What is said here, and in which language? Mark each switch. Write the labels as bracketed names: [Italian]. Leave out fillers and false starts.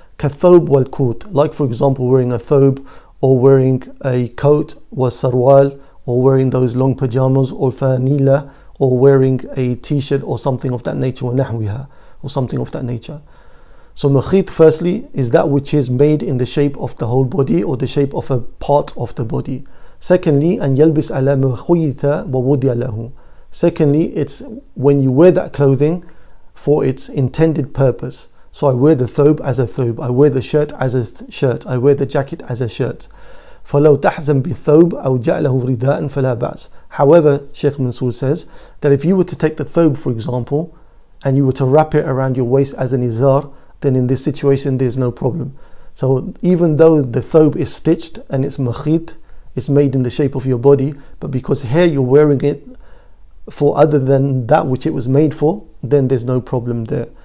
[Arabic] كثوب والكوت, [English] like for example wearing a thobe or wearing a coat والسروال, or wearing those long pajamas or فانيلة, or wearing a t-shirt or something of that nature ونحوها, or something of that nature. So مخيط firstly is that which is made in the shape of the whole body or the shape of a part of the body. Secondly, [Arabic] أن يلبس على ما خيط ووضع له. [English] Secondly, it's when you wear that clothing for its intended purpose. So I wear the thobe as a thobe, I wear the shirt as a shirt, I wear the jacket as a shirt. [Arabic] فلو تحزم بثوب أو جعله رداء فلا بأس. [English] However, Sheikh Mansour says that if you were to take the thobe, for example, and you were to wrap it around your waist as an izar, then in this situation there's no problem. So even though the thobe is stitched and it's makhit, it's made in the shape of your body, but because here you're wearing it for other than that which it was made for, then there's no problem there.